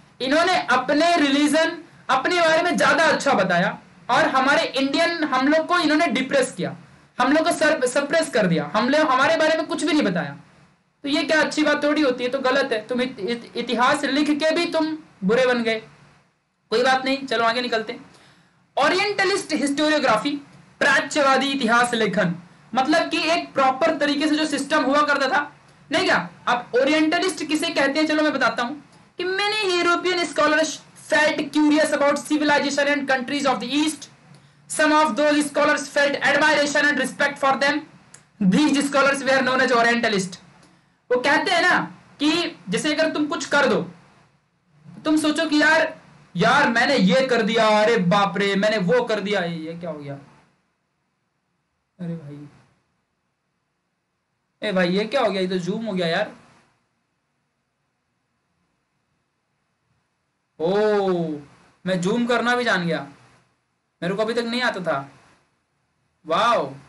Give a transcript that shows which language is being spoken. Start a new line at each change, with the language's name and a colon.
Hindi: इन्होंने अपने रिलीजन अपने बारे में ज्यादा अच्छा बताया और हमारे इंडियन हम लोग को इन्होंने डिप्रेस किया, हम लोग को सप्रेस कर दिया, हमने हमारे बारे में कुछ भी नहीं बताया, तो ये क्या अच्छी बात थोड़ी होती है, तो गलत है, तुम इतिहास लिख के भी तुम बुरे बन गए, कोई बात नहीं। चलो आगे निकलते। ओरिएंटलिस्ट हिस्टोरियोग्राफी प्राच्यवादी इतिहास लेखन, मतलब कि एक प्रॉपर तरीके से जो सिस्टम हुआ करता था, नहीं क्या, अब ओरिएंटलिस्ट किसे कहते हैं, चलो मैं बताता हूं कि
English: Many European scholars felt curious about civilization and countries of the East. Some of those scholars felt admiration and respect for them. These scholars were known as Orientalists.
Hindi: वो कहते हैं ना कि जैसे अगर तुम कुछ कर दो, तुम सोचो कि यार यार मैंने ये कर दिया, अरे बाप रे मैंने वो कर दिया, ये क्या हो गया, अरे भाई ए भाई ये क्या हो गया, ये तो जूम हो गया यार, ओ मैं जूम करना भी जान गया, मेरे को अभी तक नहीं आता था, वाओ